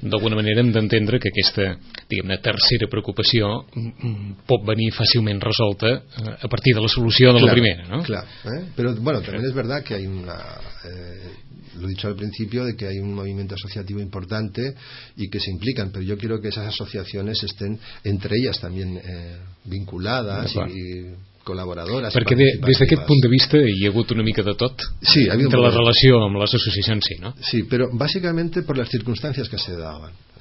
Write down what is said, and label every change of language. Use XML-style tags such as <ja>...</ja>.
<ca>D'alguna manera hem d'entendre que aquesta, diguem-ne, tercera preocupació pot venir fàcilment resolta a partir de la solució de la primera, ¿no?</ca> <es>Claro, pero bueno, también es verdad que hay una... lo he dicho al principio, de que hay un movimiento asociativo importante y que se implican, pero yo quiero que esas asociaciones estén entre ellas también vinculadas y col·laboradores.</es> <ca>Perquè des d'aquest punt de vista hi ha hagut una mica de tot, sí, ha entre la relació amb les associacions, sí, no? Sí, però bàsicament per les circumstàncies que se daven.</ca>